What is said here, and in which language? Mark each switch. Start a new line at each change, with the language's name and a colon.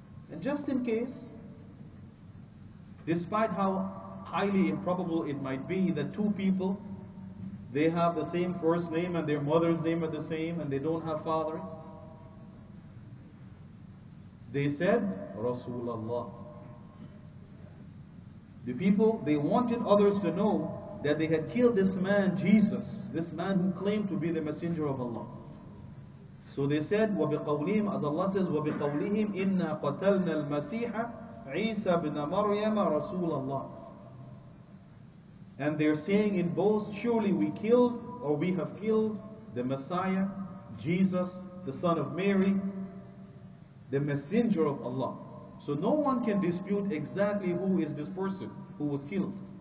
English: And just in case, despite how highly improbable it might be that two people, they have the same first name and their mother's name are the same and they don't have fathers, they said Rasulullah. The people, they wanted others to know that they had killed this man Jesus, this man who claimed to be the messenger of Allah. So they said
Arabic: وَبِقَوْلِهِمْ,
English: as Allah says
Arabic: وَبِقَوْلِهِمْ إِنَّا قَتَلْنَا الْمَسِيحَ عِيسَى بْنَ مَرْيَمَ رَسُولَ اللَّهِ.
English: And they're saying in boast, surely we killed, or we have killed, the Messiah, Jesus, the son of Mary, the messenger of Allah. So no one can dispute exactly who is this person who was killed.